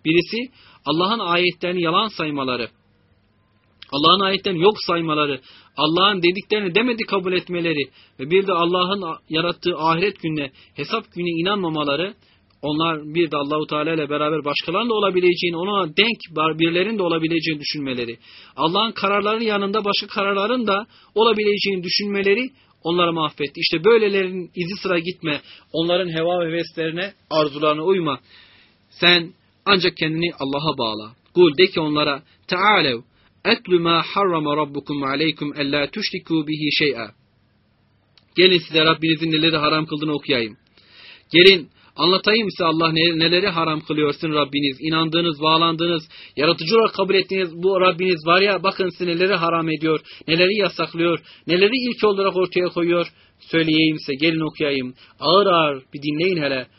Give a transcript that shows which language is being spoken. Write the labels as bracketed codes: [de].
[tr] Birisi Allah'ın ayetlerini yalan saymaları. Allah'ın ayetlerini yok saymaları, Allah'ın dediklerini demedi kabul etmeleri ve bir de Allah'ın yarattığı ahiret gününe, hesap gününe inanmamaları, onlar bir de Allah-u Teala ile beraber başkalarının da olabileceğini, ona denk birilerinin de olabileceğini düşünmeleri, Allah'ın kararlarının yanında başka kararların da olabileceğini düşünmeleri onları mahvetti. İşte böylelerin izi sıra gitme, onların heva ve heveslerine, arzularına uyma. Sen ancak kendini Allah'a bağla. Kul de ki onlara, Te'alev. [ar] اَتْلُ مَا حَرَّمَ رَبُّكُمْ عَلَيْكُمْ اَلَّا تُشْرِكُوا بِهِ شَيْئًا [tr] Gelin size Rabbinizin neleri haram kıldığını okuyayım. Gelin anlatayım size Allah neleri haram kılıyorsun Rabbiniz. İnandığınız, bağlandığınız, yaratıcı olarak kabul ettiğiniz bu Rabbiniz var ya, bakın size neleri haram ediyor, neleri yasaklıyor, neleri ilk olarak ortaya koyuyor. Söyleyeyim size, gelin okuyayım. Ağır ağır bir dinleyin hele.